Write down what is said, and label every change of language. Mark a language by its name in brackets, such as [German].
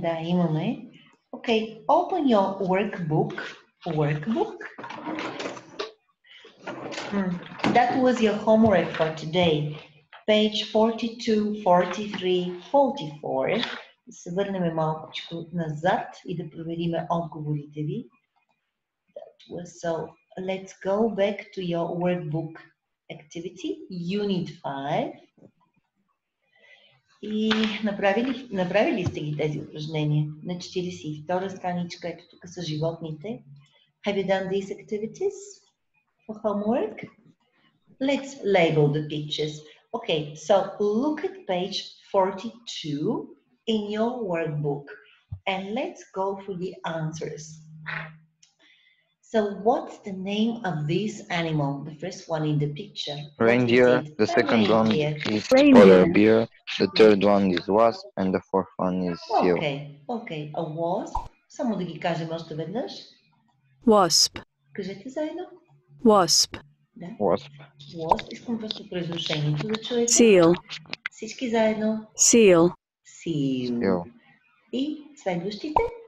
[Bulgarian] Да, имаме. [English] Okay, open your workbook. Workbook. That was your homework for today. Page 42, 43, 44. [Bulgarian] Да се върнем малко назад и да проверим отговорите ви. [English] That was so. Let's go back to your workbook activity, Unit 5. [Bulgarian] И направили сте ги тези упражнения на 42-а страничка, ето тук са животните. [English] Have you done these activities for homework? Let's label the pictures. Okay, so look at page 42 in your workbook and let's go for the answers. So what's the name of this animal? The first one in the picture. Reindeer, the second one is polar bear, the third one is wasp and the fourth one is seal. Okay, a wasp. [Bulgarian] Само да ги кажем още веднъж. [English] Wasp. [Bulgarian] Кажете заедно. [English] Wasp. [Bulgarian] Да? [English] Wasp. Wasp. [Bulgarian] Искам просто произношението да чуете. [English] Seal. [Bulgarian] Всички заедно. [English] Seal. [Bulgarian] Seal. И следващите?